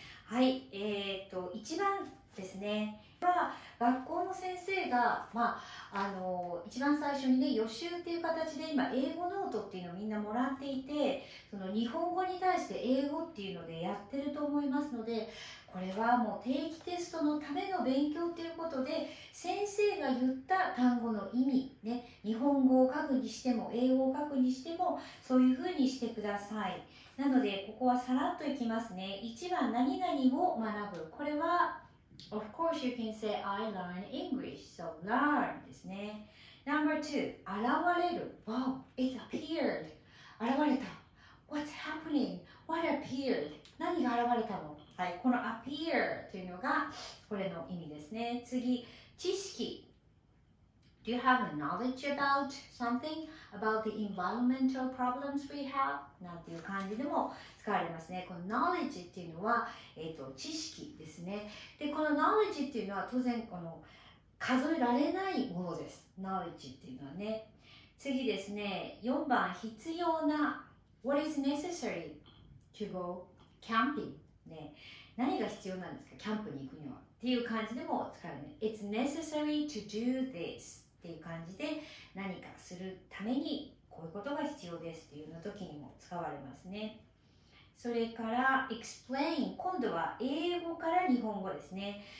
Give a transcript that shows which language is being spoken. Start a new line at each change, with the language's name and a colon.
Japanese: はい、一番ですね、は学校の先生が、一番最初にね、予習っていう形で今英語ノートっていうのをみんなもらっていて、その日本語に対して英語っていうのでやってると思いますので、これはもう定期テストのための勉強っていうことで、先生が言った単語の意味ね、日本語を書くにしても英語を書くにしてもそういうふうにしてください。なのでここはさらっといきますね。 1番、何々を学ぶ、これは
English: Of course you can say I learn English, so learn ですね。 Number two,
Japanese: 現れる、
English: Wow, it appeared,
Japanese: 現れた、
English: What's happening, what appeared,
Japanese: 何が現れたの、
English: はい、この appear
Japanese: というのがこれの意味ですね。次、知識、
English: Do you have a knowledge about something, about the environmental problems we have?
Japanese: なんていう感じでも使われますね。この knowledge っていうのは、知識ですね。で、この knowledge っていうのは当然この数えられないものです。 knowledge っていうのはね。次ですね、4番、必要な、
English: What is necessary to go camping?
Japanese: ね、何が必要なんですか、キャンプに行くにはっていう感じでも使えるね。
English: It's necessary to do this
Japanese: っていう感じで、何かするためにこういうことが必要ですっていうの時にも使われますね。それから explain、 今度は英語から日本語ですね。